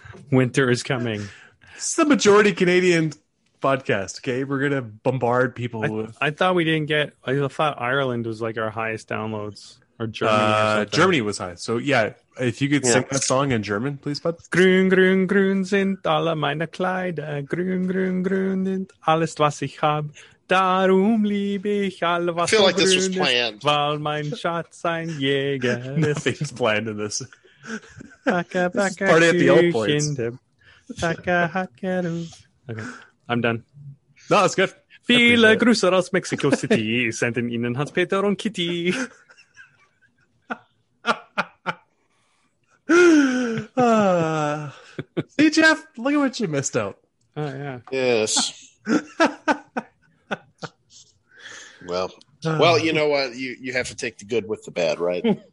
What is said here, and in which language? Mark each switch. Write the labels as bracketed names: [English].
[English] Winter is coming. This is the majority Canadian podcast. Okay, we're gonna bombard people. I thought Ireland was like our highest downloads, or Germany. Germany was high. So yeah, if you could sing that song in German, please, bud. [German] Grün, grün, grün sind alle meine Kleider. Grün, grün, grün sind alles was ich hab. Darum liebe ich alle, was [English] I feel like this was planned. [German] Weil mein Schatz ein Jäger ist. [English] Nothing's planned in this. Backa, this is party at the old points. Okay, I'm done. No, that's good. [German] Viele Grüße aus Mexico City. Senden Ihnen Hans Peter und Kitty. [English] See, Jeff, look at what you missed out. Oh, yeah. Yes. Well, you know what? You have to take the good with the bad, right?